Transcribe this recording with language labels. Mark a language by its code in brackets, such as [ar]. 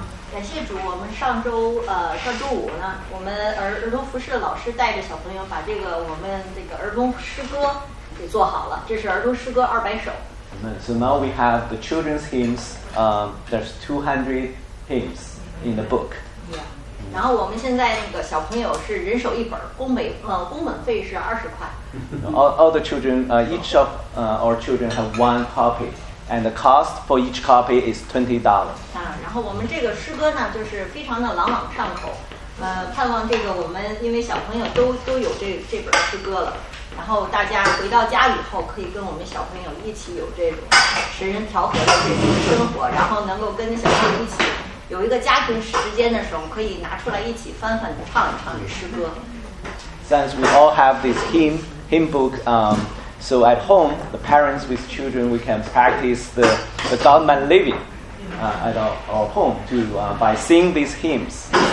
[zh] 感谢主，我们上周上周五呢，我们儿童服饰的老师带着小朋友把这个我们这个儿童诗歌给做好了，这是儿童诗歌200首。 [en] So now we have the children's hymns. There's 200 hymns in the book. Yeah. [zh] 然后我们现在那个小朋友是人手一本，工本费是20块。 [en] All the children, our children have one copy, and the cost for each copy is $20. [zh] 啊，然后我们这个诗歌呢，就是非常的朗上口。盼望这个我们因为小朋友都有这本诗歌了。然后大家回到家以后可以跟我们小朋友一起有这种神人调和的这种生活，然后能够跟小朋友一起有一个家庭时间的时候，可以拿出来一起翻翻唱一唱这诗歌。 [en] Since we all have this hymn book, so at home, the parents with children, we can practice the Godman living at our home by singing these hymns.